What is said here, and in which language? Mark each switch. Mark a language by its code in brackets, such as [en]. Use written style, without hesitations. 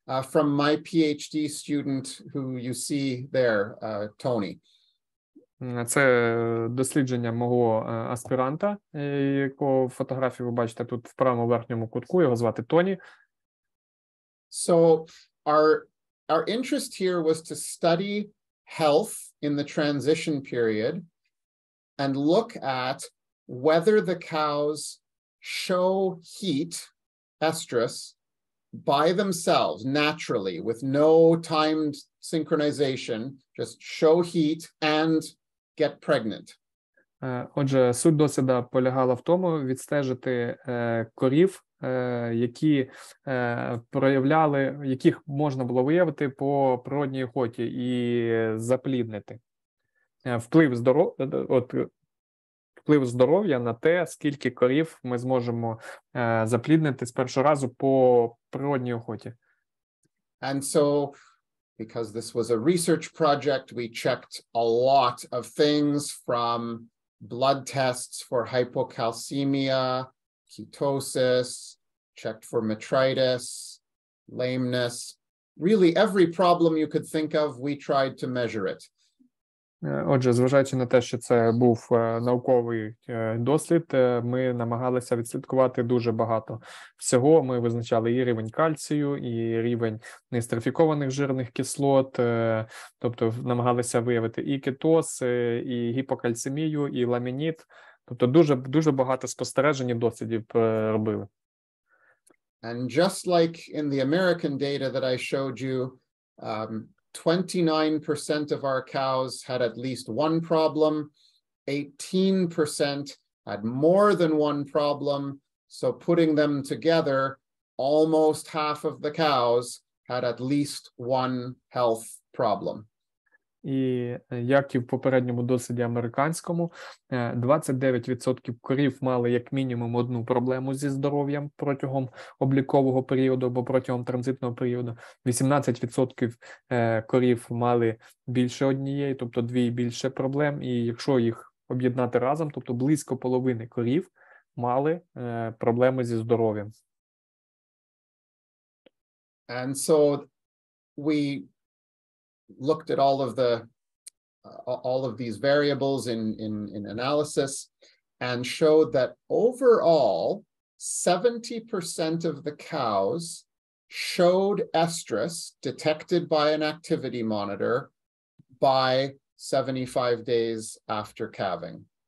[en] From my PhD student, who you see there, Tony. [uk] Це дослідження мого аспіранта, якого фотографію ви бачите тут в правому верхньому кутку, його звати Тоні. [en] So our interest here was to study health in the transition period and look at whether the cows show heat, estrus, by themselves, naturally, with no timed synchronization, just show heat and get pregnant. [uk] Отже, суть досвіду полягала в тому, відстежити корів, які проявляли, яких можна було виявити по природній охоті і запліднити. Вплив здоров'я на те, скільки корів ми зможемо запліднити з першого разу по природній охоті. [en] And so, because this was a research project, we checked a lot of things from blood tests for hypocalcemia, ketosis, checked for metritis, lameness. Really, every problem you could think of, we tried to measure it. [uk] Отже, зважаючи на те, що це був науковий дослід, ми намагалися відслідкувати дуже багато всього. Ми визначали і рівень кальцію, і рівень нестрифікованих жирних кислот, тобто намагалися виявити і кетоз, і гіпокальцемію, і ламініт. Тобто дуже багато спостережень і дослідів робили. [en] And just like in the American data that I showed you, 29% of our cows had at least one problem, 18% had more than one problem, so putting them together, almost half of the cows had at least one health problem. [uk] І як і в попередньому досвіді американському, 29% корів мали як мінімум одну проблему зі здоров'ям протягом облікового періоду або протягом транзитного періоду, 18% корів мали більше однієї, тобто дві і більше проблем, і якщо їх об'єднати разом, тобто близько половини корів мали проблеми зі здоров'ям. [en] And so we looked at all of the all of these variables in analysis and showed that overall 70% of the cows showed estrus detected by an activity monitor by 75 days after calving.